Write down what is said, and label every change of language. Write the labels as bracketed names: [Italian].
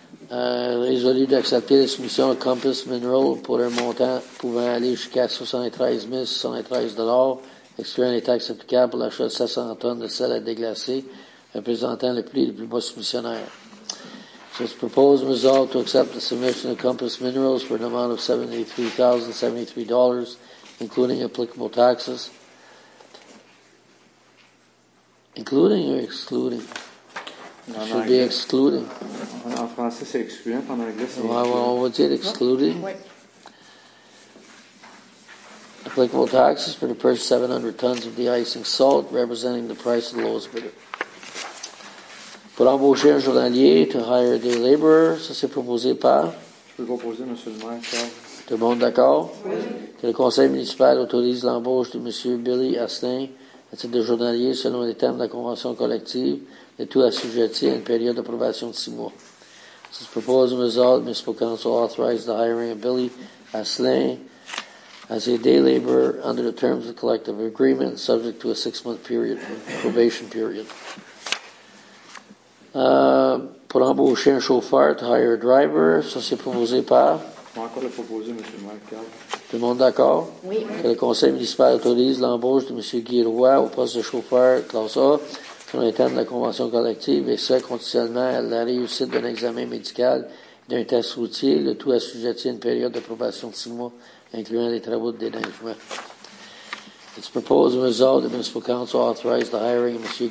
[French] Résolu d'accepter la soumission à Compass Mineral pour un montant pouvant aller jusqu'à $73,613, excluant les taxes applicables pour l'achat de 700 tonnes de sel à déglacer, représentant le plus bas soumissionnaire. [English] So it's proposed and resolved to accept the submission of Compass Minerals for an amount of $73,073, including applicable taxes. Including or excluding? It should be excluding. [French] En français, c'est excluant. En anglais, c'est [English] excluant. Well, on would say excluding. [French] Oui. [English] Applicable taxes for the purchase of 700 tons of de-icing salt, representing the price of the lowest bidder. [French] Pour embaucher un journalier, [English] to hire a day laborer, [French] ça c'est proposé par? Je peux proposer, monsieur le maire, ça. Tout le monde d'accord? Oui. Que le conseil municipal autorise l'embauche de monsieur Billy Astin, à titre de journalier, selon les termes de la convention collective, et tout assujetti à une période d'approbation de 6 mois. Ça se propose un résultat, [English] municipal council authorize the hiring of Billy Astin as a day laborer under the terms of the collective agreement, subject to a 6-month period, probation period. [French] Pour embaucher un chauffeur, [English] to hire a driver, [French] ça c'est proposé par? Moi, encore le proposé, M. Marcal. Tout le monde d'accord? Oui. Que le conseil municipal autorise l'embauche de M. Guy Roy au poste de chauffeur classe A, selon les termes de la convention collective, et ce, conditionnellement à la réussite d'un examen médical et d'un test routier, le tout assujetti à une période d'approbation de 6 mois, incluant les travaux de déneigement. [English] It's proposed and resolved the municipal council authorize the hiring of M.